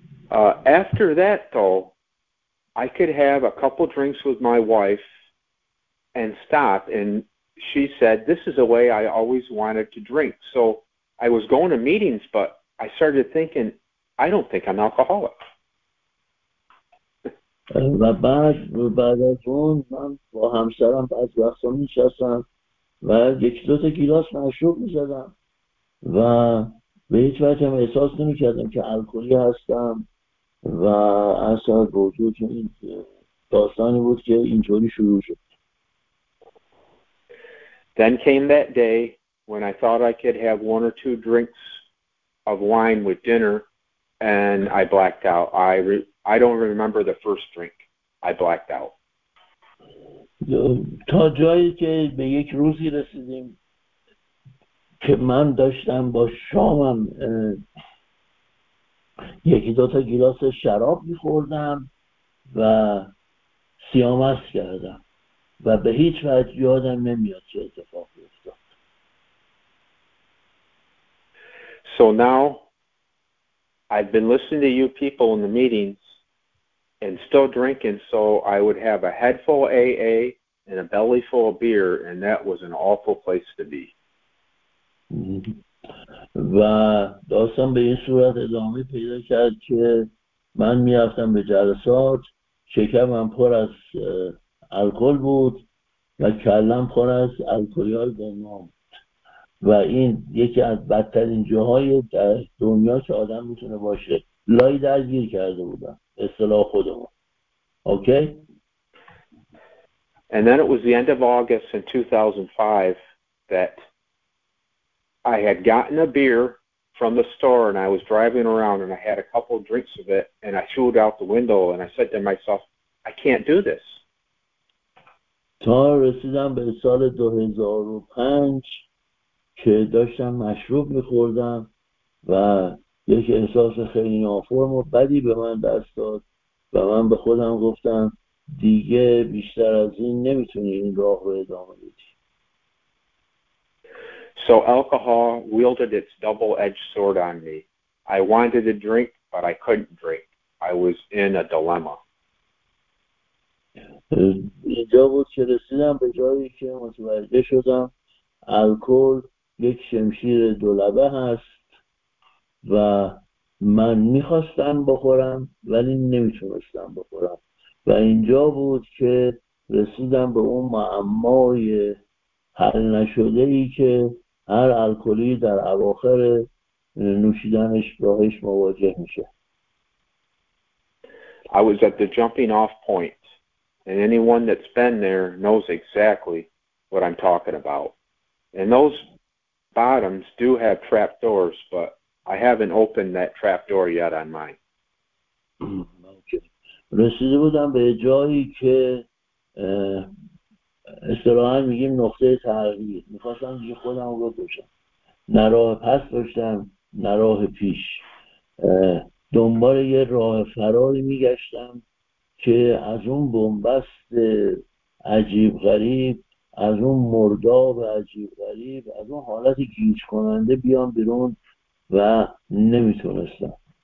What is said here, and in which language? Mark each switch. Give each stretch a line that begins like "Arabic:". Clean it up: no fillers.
English: After that though, I could have a couple drinks with my wife and stop, and she said, this is a way I always wanted to drink. So I was going to meetings, but I started thinking, I don't think I'm alcoholic.
Persian: و بعد از اون من با همسرم بعض وقتا می‌نشستم و یک دو تا گلاس مشروب می‌زدم و به هیچ وجه احساس نمی‌کردم که الکلی هستم و اصل موضوع این داستانی بود که اینجوری شروع شد.
English: Then came that day when I thought I could have one or two drinks of wine with dinner, and I blacked out. I don't remember the first drink. I blacked out.
Persian: تا جایی که به یک روزی رسیدیم که من داشتم با شامم یکی دو تا گیلاس شراب می‌خوردم و سیامست کردم و به هیچ وجه یادم نمیاد چه اتفاقی افتاد.
English: So now I've been listening to you people in the meetings and still drinking, so I would have a head full of AA and a belly full of beer, and that was an awful place to be.
Persian: و داستان به این صورت ادامه پیدا کرد که من میافتم به جلسات، شکمم پر از الکل بود و کلم پر از الکلی های گمنام بود و این یکی از بدترین جاهای در دنیا که آدم میتونه باشه. لای درگیر کرده بودم اصطلاح خودمون. اوکی؟
English: And then it was the end of August in 2005 that I had gotten a beer from the store, and I was driving around, and I had a couple of drinks of it, and I threw it out the window, and I said to myself, I can't do this.
Persian: تا رسیدم به سال 2005 که داشتم مشروب میخوردم و یک احساس خیلی نافرم و بدی به من دست داد و من به خودم گفتم دیگه بیشتر از این نمیتونی این راه رو ادامه بدی.
English: So alcohol wielded its double-edged sword on me. I wanted to drink, but I couldn't drink. I was in a dilemma.
Persian: اینجا بود که رسیدم به جایی که متوجه شدم الکل یک شمشیر دو لبه هست و من میخواستم بخورم ولی نمیتونستم بخورم و اینجا بود که رسیدم به اون معمای حل نشده ای که هر الکلی در اواخر نوشیدنش باهاش مواجه میشه.
English: I was at the jumping off point, and anyone that's been there knows exactly what I'm talking about. And those bottoms do have trap doors, but I haven't opened that trap door yet on mine.
Persian: رسیده بودم به جایی که اصطلاحا میگیم نقطه تغییر، میخواستم دیگه خودم رو بکشم، نه راه پس داشتم نه راه پیش، دنبال یه راه فراری میگشتم که از اون بنبست عجیب غریب، از اون مرداب عجیب غریب، از اون حالت گیج کننده بیام بیرون و نمیتونستم.